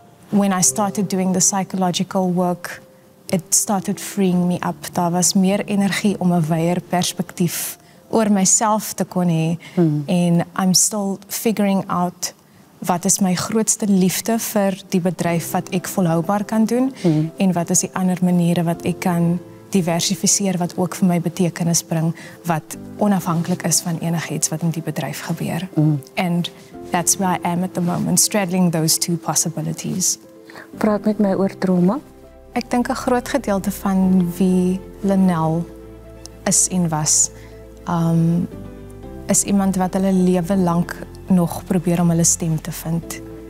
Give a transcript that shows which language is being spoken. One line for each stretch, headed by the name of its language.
English: When I started doing the psychological work, it started freeing me up.
Afrikaans: Daar was meer energie om 'n wyeer perspektief oor myself te kon hê. En
English: I'm still figuring out
Afrikaans: wat is my grootste liefde vir die bedryf wat ek volhoubaar kan doen en wat is die ander maniere wat ek kan diversifiseer wat ook vir my betekenis bring wat onafhanklik is van enigiets wat in die bedryf gebeur.
English: And that's where I am at the moment, straddling those two possibilities.
Afrikaans: Praat met my oor trauma. Ek dink 'n groot gedeelte van wie Linnell is en was, is iemand wat hulle lewe lank nog probeer om hulle stem te vind.